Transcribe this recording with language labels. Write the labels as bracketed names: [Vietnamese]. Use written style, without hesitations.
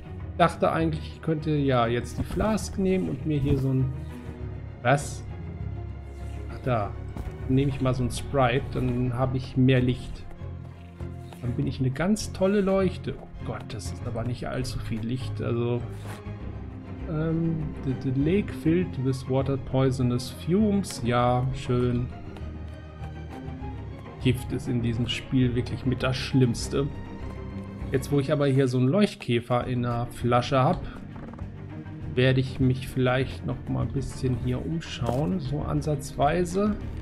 [German] Ich dachte eigentlich, ich könnte ja jetzt die Flask nehmen und mir hier so ein... Was? Ach da. Dann nehme ich mal so ein Sprite, dann habe ich mehr Licht. Dann bin ich eine ganz tolle Leuchte. Oh Gott, das ist aber nicht allzu viel Licht. Also... [English] The lake filled with water poisonous fumes. [German] Ja, schön. Gift ist in diesem Spiel wirklich mit das Schlimmste. Jetzt, wo ich aber hier so einen Leuchtkäfer in der Flasche habe, werde ich mich vielleicht noch mal ein bisschen hier umschauen, so ansatzweise.